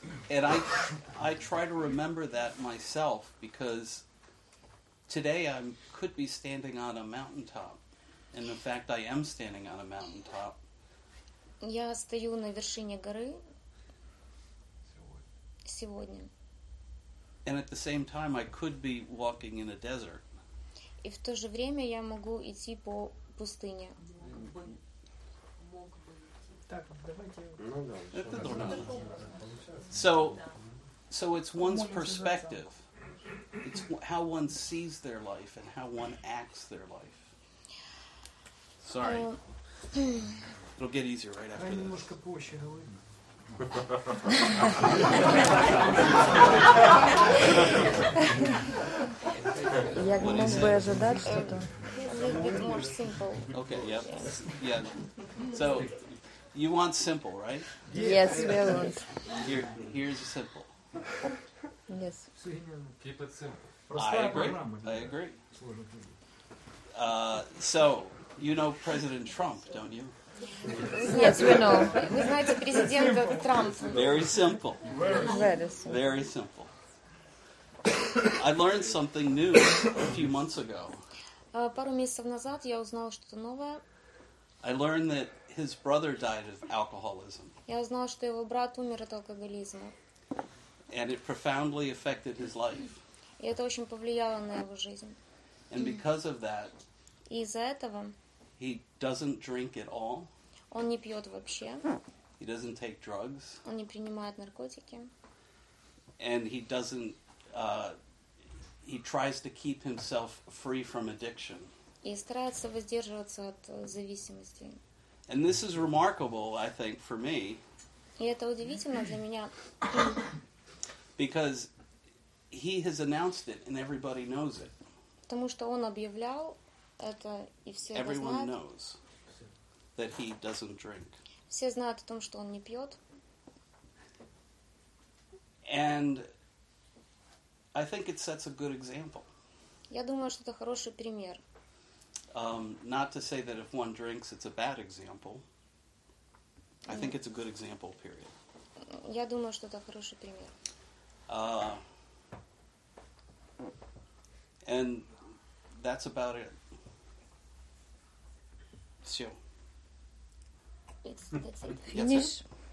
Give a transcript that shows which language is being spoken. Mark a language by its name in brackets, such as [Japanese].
[English] And I try to remember that myself because today I could be standing on a mountaintop. And in fact, I am standing on a mountaintop. [Russian] Я стою на вершине горы. Сегодня. [English] And at the same time, I could be walking in a desert. [Russian] И в то же время я могу идти по пустыне. Так, давайте. Ну да. [English] So it's one's perspective. It's how one sees their life and how one acts their life. Sorry. It'll get easier right after this. [Russian] Немножко позже говорим. Я не мог бы ожидать что-то. [English] Okay, yep. Yeah. So you want simple, right? Yes, we want. Here's a simple. Yes. Keep it simple. I agree. So you know President Trump, don't you? Yes, we know. [Russian] Вы знаете президента Трампа. [English] Very simple. Very simple. Very simple. I learned something new a few months ago. [Russian] Пару месяцев назад я узнала что-то новое. [English] I learned that his brother died of alcoholism. [Russian] Я узнала, что его брат умер от алкоголизма. [English] And it profoundly affected his life. [Russian] И это очень повлияло на его жизнь. [English] And because of that, [Russian] и из-за этого, [English] he doesn't drink at all. [Russian] Он не пьет вообще. [English] He doesn't take drugs. [Russian] Он не принимает наркотики. [English] And he doesn't. He tries to keep himself free from addiction. [Russian] И старается воздерживаться от зависимости. [English] And this is remarkable, I think, for me. [Russian] И это удивительно для меня. [English] Because he has announced it, and everybody knows it. [Russian] Потому что он объявлял. Это, и все [English] Everyone [Russian] знают. [English] Knows that he doesn't drink. [Russian] Все знают о том, что он не пьет. [English] And I think it sets a good example. [Russian] Я думаю, что это хороший пример. [English] Not to say that if one drinks, it's a bad example. I think it's a good example, period. [Russian] Я думаю, что это хороший пример. [English] And that's about it. [Russian] Все. Финиш.